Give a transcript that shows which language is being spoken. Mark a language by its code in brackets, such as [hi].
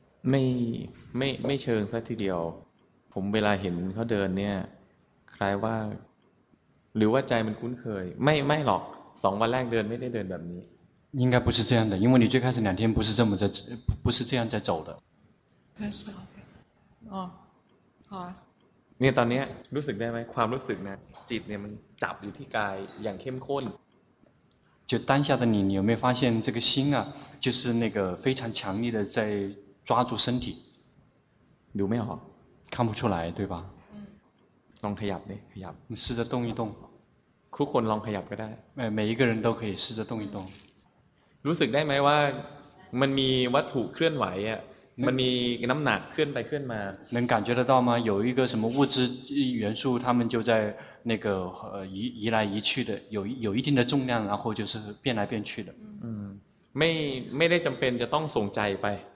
[th] ไม่เชิงซะทีเดียวผมเวลาเห็นเขาเดินเนี่ยคล้ายว่าหรือว่าใจมันคุ้นเคยไม่หรอก2วันแรกเดินไม่ได้เดินแบบนี้ [zh] 应该不是这样的因为你最开始两天不是这样在走的开始好哦好啊 [th] เนี่ยตอนนี้รู้สึกได้ไหมความรู้สึกนะจิตเนี่ยมันจับอยู่ที่กายอย่างเข้มข้น [zh] 就当下的你有没有发现这个心啊就是那个非常强力的在抓住身体有没有看不出来对吧 [th] ลองขยับดิขยับ [zh] 你试着动一动 [th] ทุกคนลองขยับก็ได้ [zh] 每一个人都可以试着动一动 [th] รู้สึกได้ไหมว่ามันมีวัตถุเคลื่อนไหวอ่ะมันมีน้ำหนักเคลื่อนไปเคลื่อนมา [zh] 能感觉得到吗有一个什么物质元素它们就在那个移来移去的有一定的重量然后就是变来变去的 [th] ไม่ได้จำเป็นจะต้องส่งใจไป